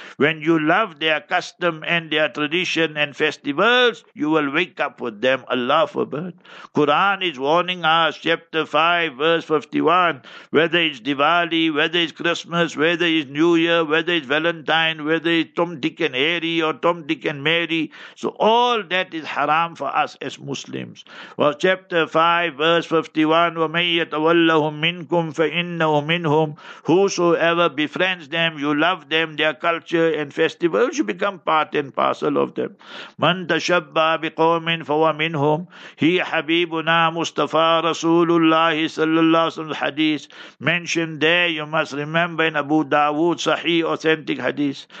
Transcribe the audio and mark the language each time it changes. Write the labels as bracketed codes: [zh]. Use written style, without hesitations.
[en] When you love their custom and their tradition and festivals, you will wake up with them. Allah forbid. Quran is warning us, chapter 5, verse 51, whether it's Diwali, whether it's Christmas, whether it's New Year, whether it's Valentine, whether it's Tom, Dick and Harry or Tom, Dick and Mary. So all that is haram for us as Muslims. Well, chapter 5, verse 51, [ar] وَمَنْ يَتَوَلَّهُمْ مِنْكُمْ فَإِنَّهُ مِنْهُمْ. [en] Whosoever befriends them, you love them, their culture and festivals, you become part and parcel of them. [ar] مَنْ تَشَبَّى بِقَوْمٍ فَوَ مِنْهُمْ. [en] He, Habibuna Mustafa, Rasulullah, sallallahu alaihi wasallam, hadith mentioned there, you must remember, in Abu Dawood, sahih, authentic hadith.